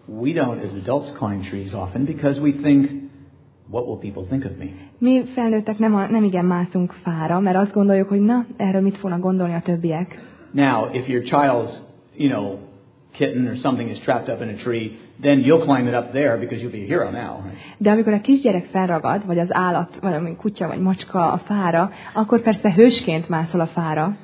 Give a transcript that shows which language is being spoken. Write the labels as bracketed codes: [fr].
[en] We don't as adults climb trees often because we think, what will people think of me? [hu] Mi felnőttek nem igen mászunk fára, mert azt gondoljuk, hogy na, erről mit fognak gondolni a többiek. [en] Now, if your child's kitten or something is trapped up in a tree, then you'll climb it up there because you'll be a hero now. [hu] De amikor a kisgyerek felragad, vagy az állat, vagy a kutya, vagy macska a fára, akkor persze hősként mászol a fára.